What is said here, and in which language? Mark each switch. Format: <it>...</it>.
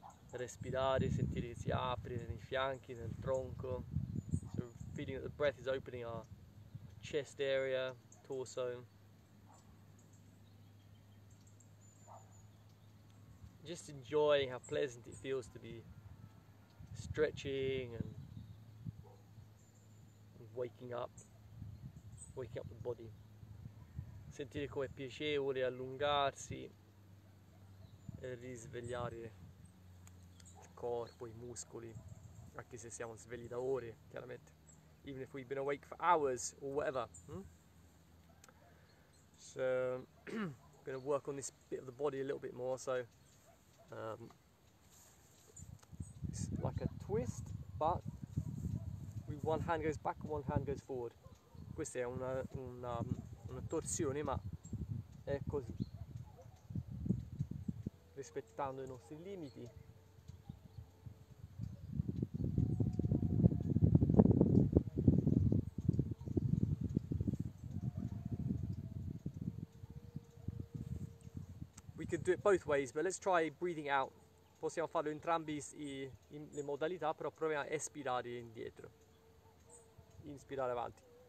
<it>Respirare, sentire che si apre nei fianchi, nel tronco.</it> <en>So feeling that the breath is opening our chest area, torso. Just enjoying how pleasant it feels to be stretching and waking up. Wake up the body.</en> <it>Sentire com'è piacevole allungarsi e risvegliare il corpo, i muscoli. anche se siamo svegli da ore, chiaramente.</it> <en>Even if we've been awake for hours or whatever. So I'm going to work on this bit of the body a little bit more. So it's like a twist, but with one hand goes back and one hand goes forward.</en> <it>Questa è una torsione, ma è così. Rispettando I nostri limiti.</it> <en>We could do it both ways, but let's try breathing out.</en> <it>Possiamo farlo entrambi le modalità, però proviamo a espirare indietro. Inspirare avanti.</it>